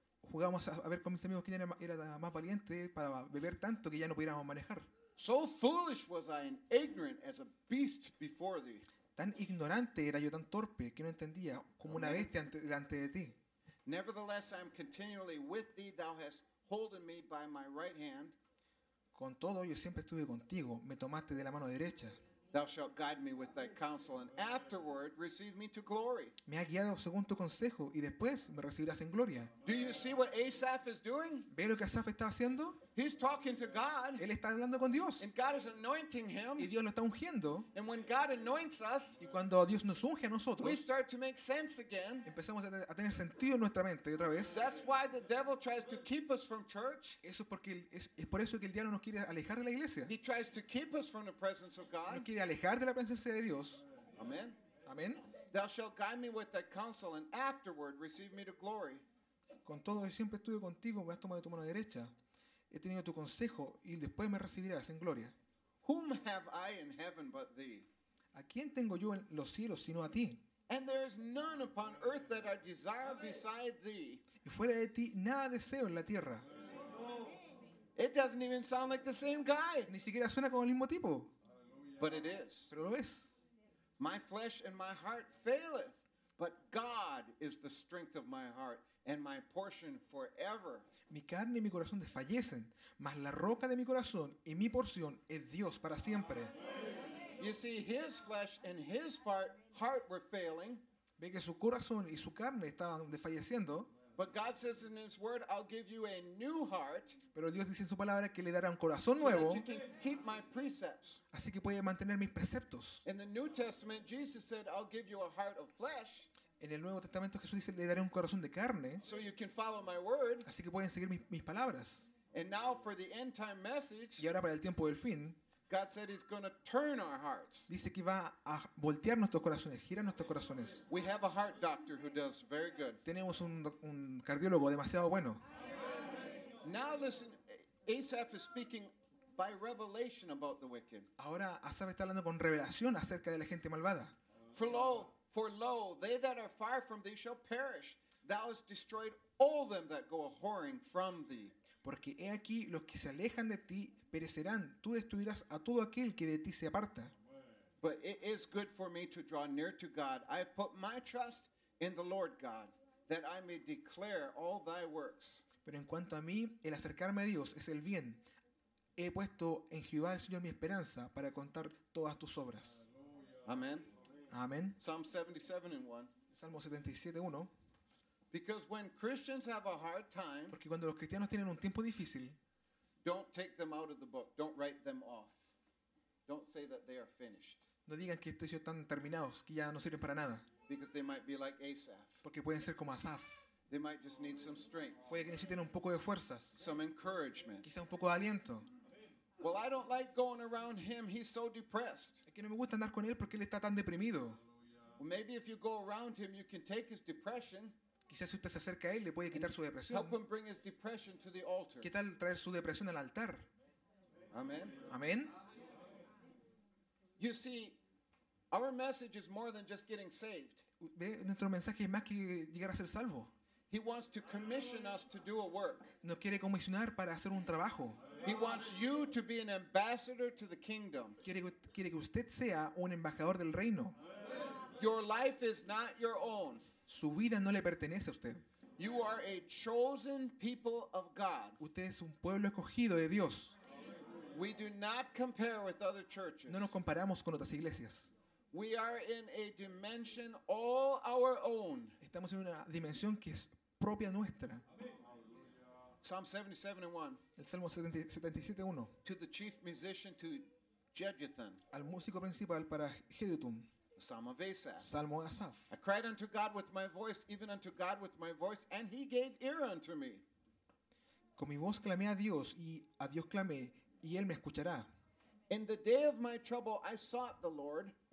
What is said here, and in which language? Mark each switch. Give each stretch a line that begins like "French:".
Spanish: Jugábamos a ver con mis amigos quién era más valiente para beber tanto que ya no pudiéramos manejar.
English: So foolish was I and ignorant as a beast before thee.
Spanish: Tan ignorante era yo, tan torpe, que no entendía como una bestia delante de ti.
English: Nevertheless, I am continually with thee. Thou hast holden me by my right hand.
Spanish: Con todo, yo siempre estuve contigo. Me tomaste de la mano derecha.
English: Thou shalt guide me with thy counsel, and afterward receive me to glory.
Spanish: Me has guiado según tu consejo, y después me recibirás en gloria.
English: Do you see what Asaph is doing?
Spanish: ¿Ve lo que Asaph está haciendo?
English: He's talking to God.
Spanish: Él está hablando con Dios.
English: And God is anointing him.
Spanish: Y Dios lo está ungiendo.
English: And when God anoints us,
Spanish: y cuando Dios nos unge a nosotros,
English: we start to make sense again.
Spanish: Empezamos a tener sentido en nuestra mente otra vez.
English: That's why the devil tries to keep us from church.
Spanish: Eso es porque es por eso que el diablo nos quiere alejar de la iglesia.
English: He tries to keep us from the presence of God.
Spanish: Nos quiere alejar de la presencia de Dios.
English: Amen.
Spanish: Amen.
English: Thou shalt guide me with thy counsel, and afterward receive me to glory.
Spanish: Con todo, yo siempre estuve contigo, me has tomado de tu mano derecha. He tenido tu consejo y después me recibirás en gloria.
English: Whom have I in heaven but thee?
Spanish: ¿A quién tengo yo en los cielos sino a ti?
English: And there is none upon earth that I desire beside thee.
Spanish: Y fuera de ti nada deseo en la tierra.
English: It doesn't even sound like the same guy.
Spanish: Ni siquiera suena como el mismo tipo.
English: But it is.
Spanish: Pero lo es.
English: My flesh and my heart faileth, but God is the strength of my heart and my portion forever.
Spanish: Mi carne y mi corazón desfallecen, mas la roca de mi corazón y mi porción es Dios para siempre.
English: You see, his flesh and his heart were failing.
Spanish: Ve que su corazón y su carne estaban desfalleciendo.
English: But God says in his word, I'll give you a new heart.
Spanish: Pero Dios dice en su palabra que le dará un corazón nuevo.
English: So that you can keep my precepts.
Spanish: Así que puede mantener mis preceptos.
English: In the New Testament, Jesus said, I'll give you a heart of flesh.
Spanish: En el Nuevo Testamento Jesús dice, le daré un corazón de carne.
English: So you can follow my word.
Spanish: Así que pueden seguir mis palabras.
English: And now for the end time message.
Spanish: Y ahora para el tiempo del fin.
English: God said he's going to turn our hearts.
Spanish: Dice que va a voltear nuestros corazones, gira nuestros corazones.
English: We have a heart doctor who does very good.
Spanish: Tenemos un cardiólogo demasiado bueno.
English: Now listen, Asaph is speaking by revelation about the wicked.
Spanish: Ahora Asaph está hablando con revelación acerca de la gente malvada.
English: For lo, they that are far from thee shall perish. Thou hast destroyed all them that go a whoring from thee.
Spanish: Porque he aquí los que se alejan de ti perecerán, tú destruirás a todo aquel que de ti se aparta.
English: But it is good for me to draw near to God. I have put my trust in the Lord God, that I may declare all thy works.
Spanish: Pero en cuanto a mí, el acercarme a Dios es el bien. He puesto en Jehová el Señor mi esperanza para contar todas tus obras.
English: Amen.
Spanish: Amen.
English: Psalm 77:1. Because when Christians have a hard time,
Spanish: porque cuando los cristianos tienen un tiempo difícil,
English: don't take them out of the book. Don't write them off. Don't say that they are finished.
Spanish: No digan que estos están terminados, que ya no sirven para nada.
English: Because they might be like Asaph.
Spanish: Porque pueden ser como Asaph.
English: They might just need some strength.
Spanish: Puede que necesiten un poco de fuerzas.
English: Some encouragement.
Spanish: Quizá un poco de aliento.
English: Well, I don't like going around him. He's so depressed.
Spanish: Es que no me gusta andar con él porque él está tan deprimido.
English: Well, maybe if you go around him, you can take his depression.
Spanish: Quizás si usted se acerca a él, le puede quitar su depresión.
English: Help him bring his depression to the altar.
Spanish: ¿Qué tal traer su depresión al altar? Amén.
English: You see, our message is more than just getting saved.
Spanish: Nuestro mensaje es más que llegar a ser salvo.
English: He wants to commission us to do a work.
Spanish: Nos quiere comisionar para hacer un trabajo.
English: He wants you to be an ambassador to the kingdom.
Spanish: Quiere que usted sea un embajador del reino.
English: Your life is not your own.
Spanish: Su vida no le pertenece a usted.
English: You are a chosen people of God.
Spanish: Usted es un pueblo escogido de Dios.
English: We do not compare with other churches.
Spanish: No nos comparamos con otras iglesias.
English: We are in a dimension all our own.
Spanish: Estamos en una dimensión que es propia nuestra.
English: Psalm 77:1.
Spanish: El Salmo 77:1.
English: To the chief musician, to Jeduthun.
Spanish: Al músico principal para Jeduthun.
English: Psalm of Asaph.
Spanish: Salmo de Asaph.
English: I cried unto God with my voice, even unto God with my voice, and he gave ear unto me.
Spanish: Con mi voz clamé a Dios, y a Dios clamé, y él me escuchará.
English: In the day of my trouble I sought the Lord.